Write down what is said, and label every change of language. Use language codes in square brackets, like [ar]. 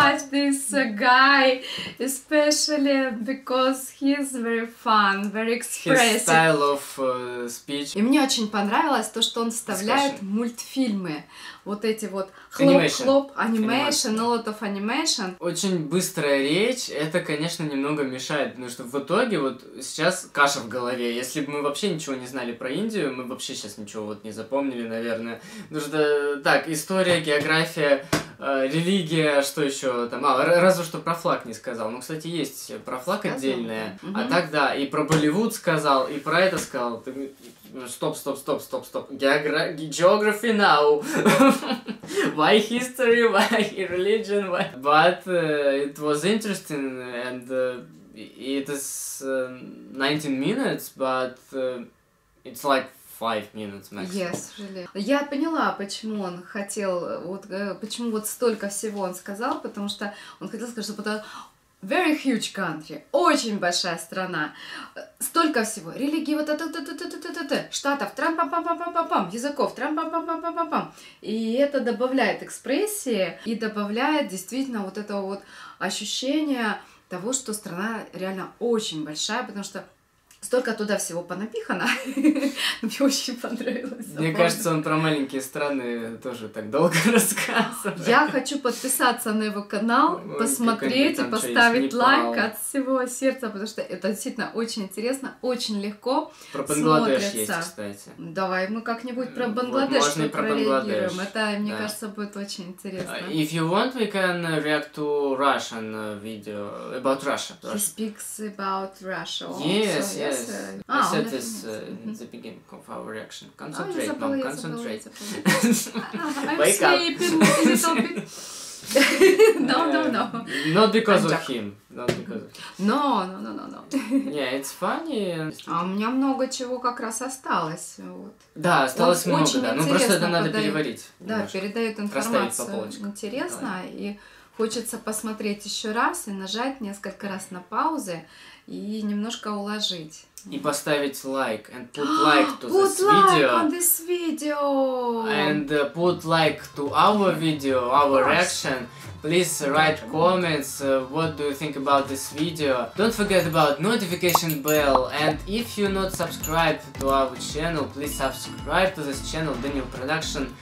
[en] watch this guy, especially because he's very fun, very expressive. His style of speech. [ru] И мне очень понравилось то, что он вставляет [en] discussion. [ru] Мультфильмы. Вот эти вот хлоп-хлоп, [en] animation, a lot of animation. [ru] Очень быстрая речь, это, конечно, немного мешает, потому что в итоге вот сейчас каша в голове. Если бы мы вообще ничего не знали про Индию, мы вообще сейчас ничего вот не запомнили, наверное. Потому что, так, история, география, религия, что еще там? А, разве что про флаг не сказал. Ну, кстати, есть про флаг отдельное. Mm-hmm. А так, да, и про Болливуд сказал, и про это сказал. Стоп. [en] Geography now. Why history? Why religion? Why? But it was interesting and it is 19 minutes, but it's like 5 minutes maximum. Yes, really. [ru] Я поняла, почему он хотел, вот почему вот столько всего он сказал, потому что он хотел сказать, что потом [en] very huge country, [ru] очень большая страна, столько всего, религии, вот это, штатов, трам-пам-пам-пам-пам-пам, языков, трам-пам-пам-пам-пам-пам. И это добавляет экспрессии и добавляет действительно вот этого вот ощущения того, что страна реально очень большая, потому что столько туда всего понапихано. Мне очень понравилось. Мне кажется, он про маленькие страны тоже так долго рассказывает. Я хочу подписаться на его канал, посмотреть и поставить лайк от всего сердца, потому что это действительно очень интересно, очень легко смотрится. Про Бангладеш есть, кстати. Давай мы как-нибудь про Бангладеш прореагируем. Это, мне кажется, будет очень интересно. [en] If you want, we can react to Russian video about Russia. He speaks about Russia. Yes. Yes, I said this in the beginning of our reaction. Concentrate, mom, concentrate. I'm sleeping a little bit. No. Not because of him. Not because of him. No. Yeah, it's funny. [ru] А у меня много чего как раз осталось. Да, осталось много, да. Ну просто это надо переварить. Да, передает информацию. Интересно. И хочется посмотреть еще раз и нажать несколько раз на паузы. И немножко уложить. И поставить лайк. [en] And put like to this video. Put like on this video. And put like to our video, our reaction. Please write comments. What do you think about this video? Don't forget about notification bell. And if you're not subscribed to our channel, please subscribe to this channel, Daniil Production.